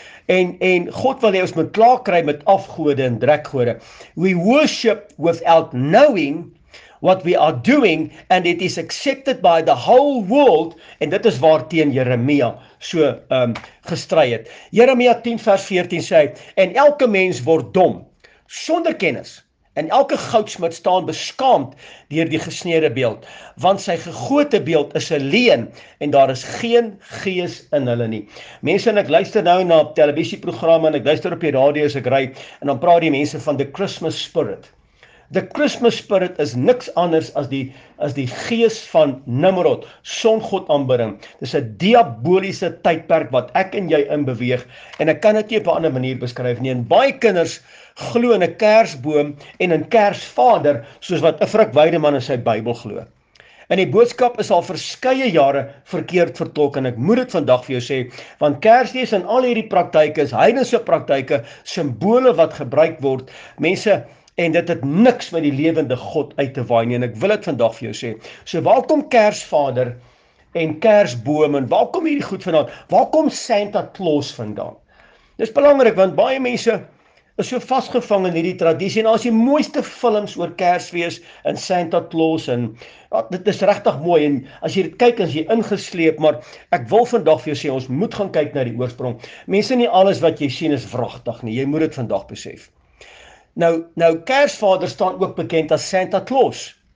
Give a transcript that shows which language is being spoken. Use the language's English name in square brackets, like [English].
[Afrikaans] En God wil hê ons moet klaar kry met afgode en drekgode. [English] We worship without knowing what we are doing, and it is accepted by the whole world, [Afrikaans] en dit is waar teen Jeremia so gestry het. Jeremia 10 vers 14 sê, en elke mens word dom, sonder kennis, en elke goudsmit staan beskaamd deur die gesneerde beeld, want sy gegote beeld is 'n leuen, en daar is geen gees in hulle nie. Mense, en ek luister nou na televisieprogramme, en ek luister op die radio as ek ry, en dan praat die mense van [English] the Christmas spirit. The Christmas spirit [Afrikaans] is niks anders as die gees van Nimrod, songod aanbidding. Dis 'n diaboliese tydperk wat ek en jy in beweeg en ek kan dit nie op 'n ander manier beskryf nie. En baie kinders glo in 'n kersboom en in Kersvader soos wat Frik Weideman in sy Bybel glo. En die boodskap is al verskeie jare verkeerd vertolk en ek moet dit vandag vir jou sê, want Kersfees en al hierdie praktyke is heidense praktyke, simbole wat gebruik word. Mense, en dit het niks met die lewende God uit te waai nie, en ek wil dit vandag vir jou sê. So waar kom Kersvader en Kersboom en waar kom hierdie goed vandaan? Waar kom Santa Claus vandaan? Dis belangrik want baie mense is so vasgevang in hierdie tradisie en daar is die mooiste films oor Kersfees en Santa Claus en ja, dit is regtig mooi en as jy dit kyk as jy ingesleep, maar ek wil vandag vir jou sê ons moet gaan kyk na die oorsprong. Mense, nie alles wat jy sien is wragtig nie. Jy moet dit vandag besef. Nou Kersvader staan ook bekend as Santa Claus.